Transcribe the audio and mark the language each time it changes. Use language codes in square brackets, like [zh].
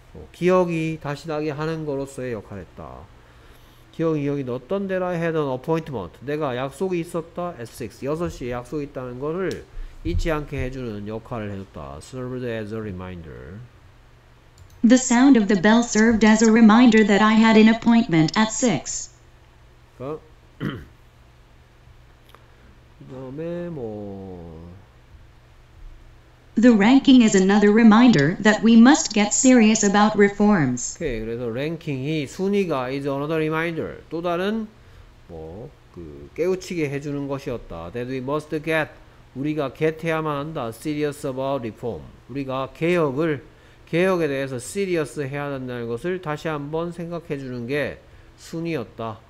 [ko] 기억이 다시 나게 하는 거로서의 역할을 했다. 기억이 어떤 데라 had an appointment. 내가 약속이 있었다. At 6. 6시에 약속이 있다는 것을 잊지 않게 해주는 역할을 해줬다. [en] Served as a reminder. The sound of the bell served as a reminder that I had an appointment at 6. [ko] 그 다음에 뭐... [en] The ranking is another reminder that we must get serious about reforms. [ko] Okay, 그래서 ranking이 순위가 is another reminder. 또 다른 뭐 그 깨우치게 해주는 것이었다. [en] That we must get 우리가 get 해야만 한다. Serious about reform. [ko] 우리가 개혁에 대해서 serious 해야 한다는 것을 다시 한번 생각해주는 게 순위였다.